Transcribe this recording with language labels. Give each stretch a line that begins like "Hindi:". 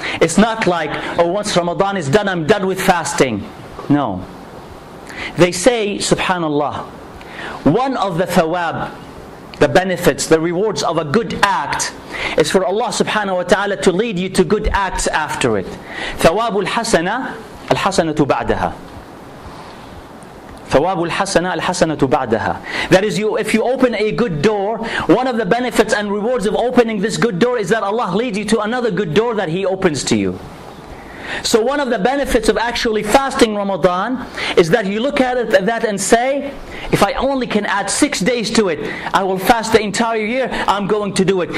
English: It's not like, oh, once Ramadan is done, I'm done with fasting. No. They say, subhanallah, one of the thawab, the benefits, the rewards of a good act, is for Allah subhanahu wa ta'ala to lead you to good acts after it.
Arabic: ثواب الحسنة الحسنة بعدها. ثواب الحسنة الحسنة بعدها.
English: That is, you, if you open a good door, one of the benefits and rewards of opening this good door is that Allah leads you to another good door that He opens to you. So one of the benefits of actually fasting Ramadan is that you look at it that and say, if I only can add 6 days to it, I will fast the entire year, I'm going to do it.